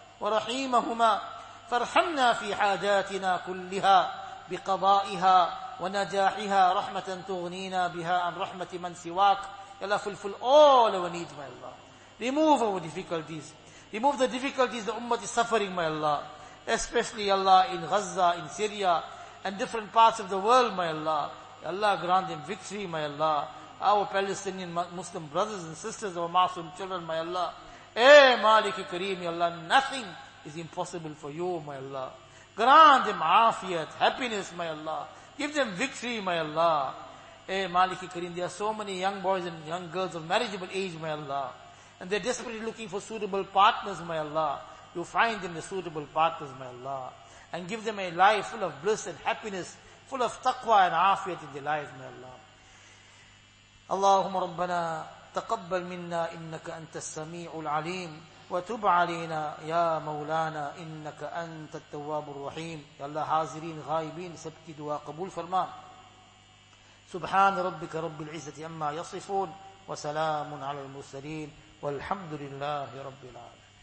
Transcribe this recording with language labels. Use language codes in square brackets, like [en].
[ar] ورحيمهما فارحمنا في حاجاتنا كلها بقضائها ونجاحها رحمة تغنينا بها عن رحمة من سواك. [en] يا الله, fulfill all our needs, my Allah. Remove our difficulties. Remove the difficulties the ummah is suffering, my Allah. Especially, ya Allah, in Gaza, in Syria, and different parts of the world, my Allah. Ya Allah, grant them victory, my Allah. Our Palestinian Muslim brothers and sisters, our masum children, my Allah. Eh, Maliki Kareem, Ya Allah, nothing is impossible for you, my Allah. Grant them afiyat, happiness, my Allah. Give them victory, my Allah. Eh, Maliki Kareem, there are so many young boys and young girls of marriageable age, my Allah. And they're desperately looking for suitable partners, my Allah. You find them the suitable partners, my Allah. And give them a life full of bliss and happiness, full of taqwa and afiyat in their lives, my Allah. [ar] Allahumma Rabbana. تقبل منا إنك أنت السميع العليم وتب علينا يا مولانا إنك أنت التواب الرحيم. يا الله, [ur] حاضرين غائبين, سبك دعاء قبول فرما. [ar] سبحان ربك رب العزة أما يصفون, وسلام على المرسلين, والحمد لله رب العالمين.